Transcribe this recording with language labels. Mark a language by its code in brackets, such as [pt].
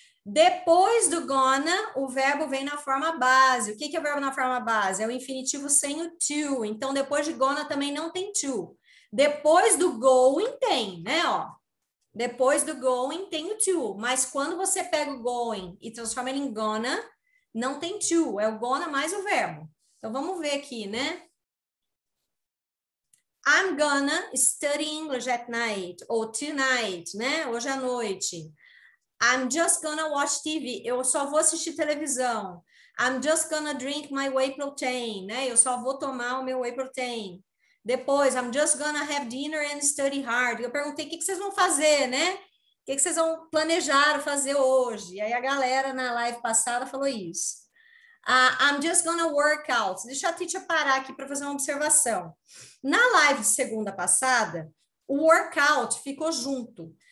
[pt] Depois do gonna, o verbo vem na forma base. O que, que é o verbo na forma base? É o infinitivo sem o to. Então, depois de gonna também não tem to. Depois do going tem, né, ó. Depois do going tem o to, mas quando você pega o going e transforma ele em gonna, não tem to, é o gonna mais o verbo. Então vamos ver aqui, né? [en] I'm gonna study English at night, ou tonight, né? [pt] Hoje à noite. [en] I'm just gonna watch TV, [pt] eu só vou assistir televisão. [en] I'm just gonna drink my whey protein, né? [pt] Eu só vou tomar o meu whey protein. [en] Depois, I'm just gonna have dinner and study hard. [pt] Eu perguntei o que vocês vão fazer, né? O que vocês vão planejar fazer hoje? E aí a galera na live passada falou isso. [en] I'm just gonna work out. [pt] Deixa a teacher parar aqui para fazer uma observação. Na live de segunda passada, o workout ficou junto.